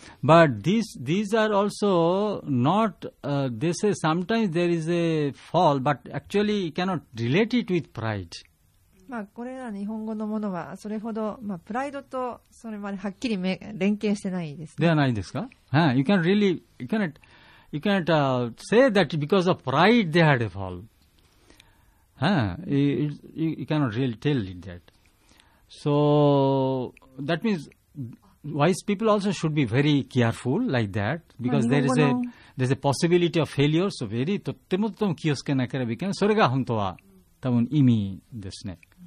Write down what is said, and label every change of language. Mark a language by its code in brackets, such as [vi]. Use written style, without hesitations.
[en] But these are also not, they say sometimes there is a fall, but actually you cannot relate it with pride. [ja] まあ、これら日本語のものはそれほど、まあ、プライドとそれまではっきり連携してないですね。ではないですか、 [en] you can really, you cannot,You cannot、say that because of pride they had a fall.、you cannot really tell it that. So that means wise people also should be very careful like that because、まあ、there is a possibility of failure. So very, [ja] とってもとても気をつけなければいけない。それが本当は多分意味ですね。